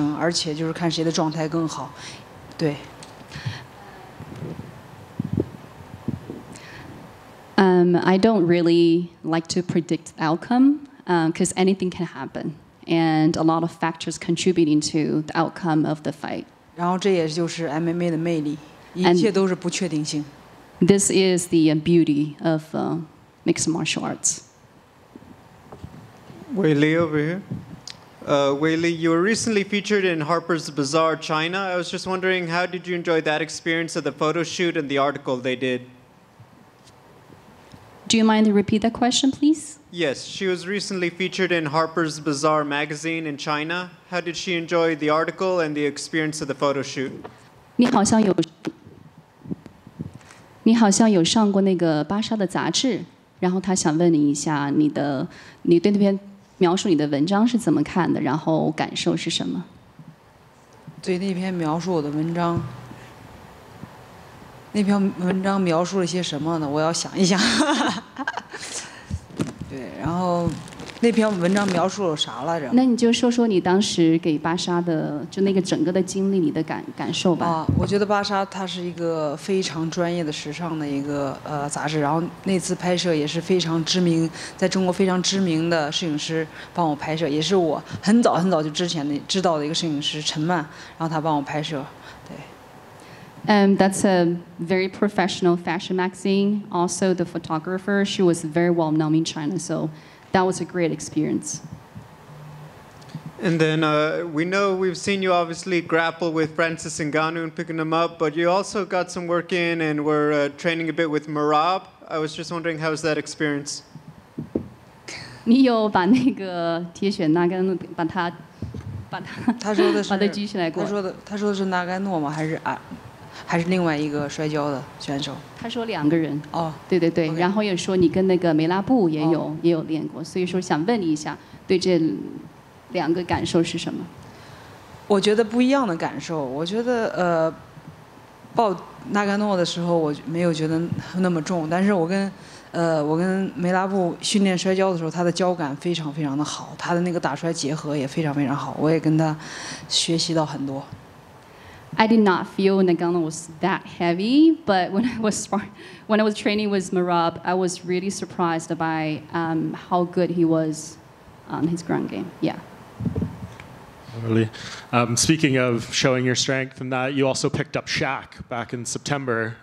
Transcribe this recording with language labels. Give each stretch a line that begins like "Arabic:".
Chinese: 你可不可以讲一下你对主卡拉几个比赛的一些看法，或者说预测？我其实一般很少去预测比赛，因为我觉得在赛场上什么都有可能发生，而且就是看谁的状态更好。对。
English: I don't really like to predict outcome because anything can happen and a lot of factors contributing to the outcome of the fight.
Chinese: 然后这也就是 MMA 的魅力，一切都是不确定性。
English: This is the beauty of mixed martial arts. Weili over here. Weili, you were recently featured in Harper's Bazaar China. I was just wondering, how did you enjoy that experience of the photo shoot and the article they did? Do you mind to repeat that question, please? Yes, she was recently featured in Harper's Bazaar magazine in China. How did she enjoy the article and the experience of the photo shoot?
Chinese: 你好像有上过那个芭莎的杂志。然后他想问你一下你对那篇描述你的文章是怎么看的，然后感受是什么？对那篇描述我的文章，那篇文章描述了些什么呢？我要想一想。对，然后那篇文章描述了啥来着？那你就说说你当时给巴莎的，就那个整个的经历，你的感受吧。啊，我觉得巴莎它是一个非常专业的时尚的一个杂志，然后那次拍摄也是非常知名，在中国非常知名的摄影师帮我拍摄，也是我很早很早就之前的知道的一个摄影师陈曼，然后他帮我拍摄。
English: That's a very professional fashion magazine. Also, the photographer, she was very well known in China. So that was a great experience. And then we've seen you obviously grapple with Francis Ngannou and picking him up, but you also got some work in and were training a bit with Merab. I was just wondering, how was that experience?
Chinese: 你有把那个铁血那根把它把它他说的是把它举起来过？他说的是纳甘诺吗？还是啊？还是另外一个摔跤的选手，他说两个人哦，对对对、 okay. 然后也说你跟那个梅拉布也有练过，所以说想问你一下对这两个感受是什么。我觉得不一样的感受，我觉得抱纳甘诺的时候我没有觉得那么重，但是我跟梅拉布训练摔跤的时候，他的跤感非常非常的好，他的那个打摔结合也非常非常好，我也跟他学习到很多。
English: I did not feel Ngannou was that heavy, but when I was training with Merab, I was really surprised by how good he was on his ground game. Yeah. Really. Speaking of showing your strength and that, you also picked up Shaq back in September.